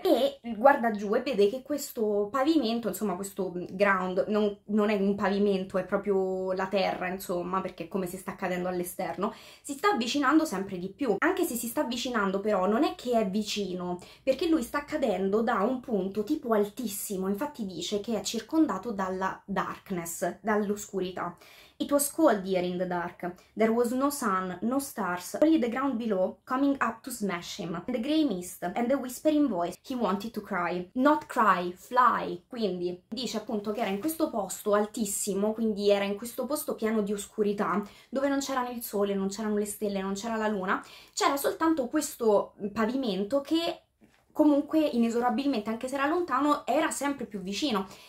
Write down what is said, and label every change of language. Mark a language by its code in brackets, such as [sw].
[it] E guarda giù e vede che questo pavimento, insomma questo ground, non è un pavimento, è proprio la terra, insomma, perché è come se sta cadendo all'esterno, si sta avvicinando sempre di più. Anche se si sta avvicinando però non è che è vicino, perché lui sta cadendo da un punto tipo altissimo, infatti dice che è circondato dalla darkness, dall'oscurità. [en] "It was cold here in the dark. There was no sun, no stars, only the ground below coming up to smash him. And the grey mist and the whispering voice. He wanted to cry. Not cry, fly." [it] Quindi dice appunto che era in questo posto altissimo, quindi era in questo posto pieno di oscurità, dove non c'era né il sole, non c'erano le stelle, non c'era la luna. C'era soltanto questo pavimento che comunque inesorabilmente, anche se era lontano, era sempre più vicino.